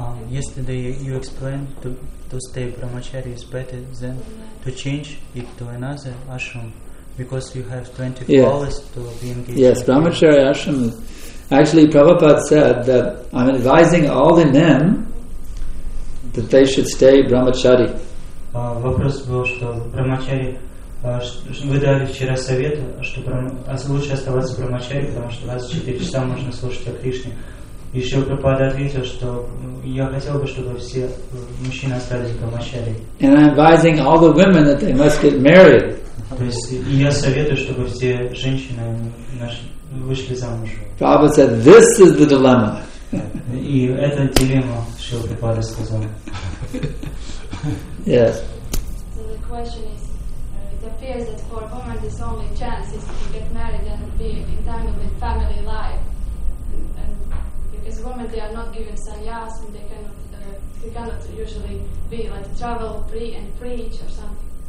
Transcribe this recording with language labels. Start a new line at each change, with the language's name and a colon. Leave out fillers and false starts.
English: Yesterday you explained to stay brahmachari is better than to change it to another ashram because you have 24 yes. hours to be engaged. Yes, brahmachari ashram. Actually, Prabhupada said that I'm advising all the men that they should stay brahmachari.
Russian: Вопрос был, что брахмачари вы дали вчера совет, что лучше оставаться брахмачари, потому что 24 часа можно слушать о Кришне. Еще Прабхупада ответил, что я хотел бы, чтобы все мужчины остались брахмачари.
English: And I'm advising all the women that they must get married.
Russian: То есть я советую, чтобы все женщины вышли замуж.
English: Prabhupada said, this is the dilemma.
Russian: И это дилемма, что Прабхупада сказал.
English: Yes. So the question is, it appears that for women this only chance is to get married and be entangled with family life. And because women, they are not given sannyas and they cannot usually be like travel and preach or something.